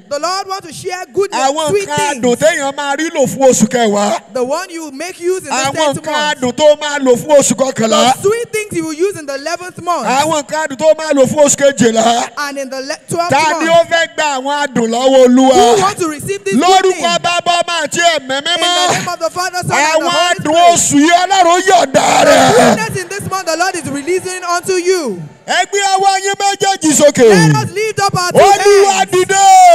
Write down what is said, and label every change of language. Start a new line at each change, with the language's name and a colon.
English: The Lord wants to share good and sweet things.
Yoruba: Àwọn nǹkan adùn téèyàn máa rí lò fún oṣù kẹwàá.
English: The one you make use in the 10th month.
Yoruba: nǹkan adùn tó máa lò fún oṣù kọkànlá.
English: The sweet things you will use in the 11th month.
Yoruba: Àwọn nǹkan adùn tó máa lò fún oṣù kejìlá.
English: And in the 12th month.
Yoruba: Tani ó fẹ́ gba àwọn adùn lọ́wọ́ Olúwa.
English: Who want to receive this good thing?
Yoruba: Lórúkọ Bábá máa tí ẹ̀ mẹ́ mímọ́.
English: In the name of the Father, Son, and the Holy Spirit.
Yoruba: Àwọn adùn oṣù yìí Ọlọ́run yọ̀ǹda rẹ̀.
English: The goodness in this month the Lord is releasing unto you.
Yoruba: Ẹ gbé ọwọ́ yín méjèèjì sókè.
English: Let us lift up our two hands.
Yoruba: Olúwa dìde.